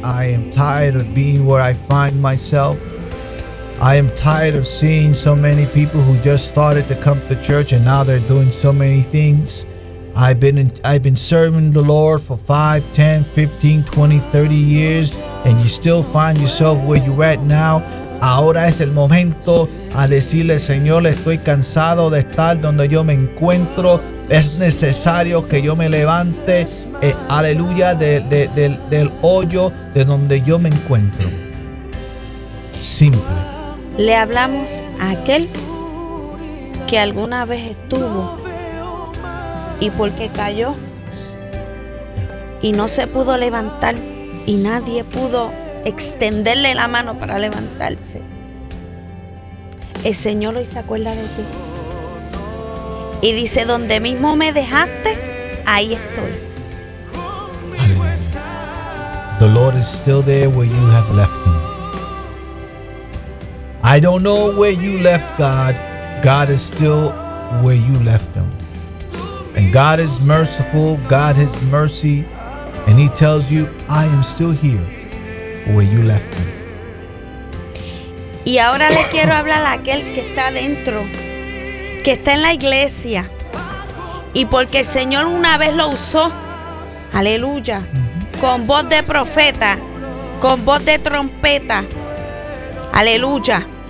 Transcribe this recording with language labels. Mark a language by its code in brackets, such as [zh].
[en] I am tired of being where I find myself. I am tired of seeing so many people who just started to come to church and now they're doing so many things. I've been serving the Lord for 5, 10, 15, 20, 30 years, and you still find yourself where you're at now. [es] Ahora es el momento a decirle, Señor, estoy cansado de estar donde yo me encuentro. Es necesario que yo me levante, aleluya, del hoyo de donde yo me encuentro. Simple. Le hablamos a aquel que alguna vez estuvo y porque cayó y no se pudo levantar y nadie pudo extenderle la mano para levantarse. El Señor hoy se acuerda de ti. Y dice, donde mismo me dejaste, ahí estoy. [en] The Lord is still there where you have left him. I don't know where you left God. God is still where you left him. And God is merciful. God has mercy. And he tells you, I am still here where you left him. [es] Y ahora le quiero hablar a aquel que está dentro, que está en la iglesia. Y porque el Señor una vez lo usó, aleluya, con voz de profeta, con voz de trompeta, aleluya.